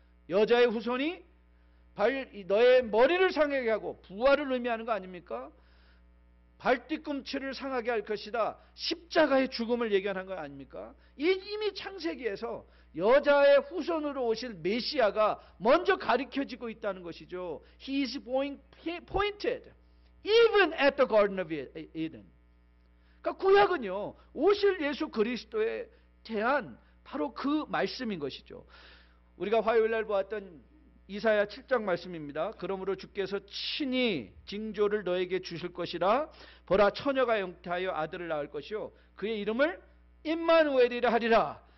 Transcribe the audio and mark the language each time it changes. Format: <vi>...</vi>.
<ko>여자의 후손이 너의 머리를 상하게 하고 부활을 의미하는 거 아닙니까? 발뒤꿈치를 상하게 할 것이다. 십자가의 죽음을 예견한 거 아닙니까? 이미 창세기에서 여자의 후손으로 오실 메시아가 먼저 가리켜지고 있다는 것이죠.</ko> <en>He is pointed even at the Garden of Eden.</en> <ko>그러니까 구약은요, 오실 예수 그리스도에 대한 바로 그 말씀인 것이죠. 우리가 화요일날 보았던 이사야 7장 말씀입니다. 그러므로 주께서 친히 징조를 너에게 주실 것이라. 보라, 처녀가 잉태하여 아들을 낳을 것이요 그의 이름을 임마누엘이라 하리라.</ko>